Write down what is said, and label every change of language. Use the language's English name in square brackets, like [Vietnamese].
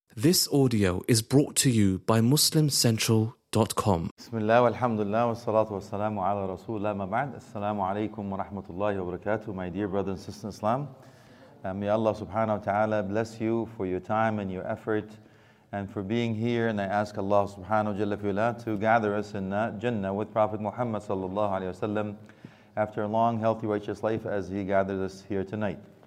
[English] This audio is brought to you by MuslimCentral.com. [Arabic] بسم الله والحمد لله والصلاة والسلام على رسول الله ما بعد. السلام عليكم ورحمة الله وبركاته. [English] My dear brothers and sisters in Islam, may Allah subhanahu wa ta'ala bless you for your time and your effort and for being here. And I ask Allah subhanahu wa ta'ala to gather us in Jannah with Prophet Muhammad sallallahu alayhi wa sallam after a long, healthy, righteous life as he gathered us here tonight.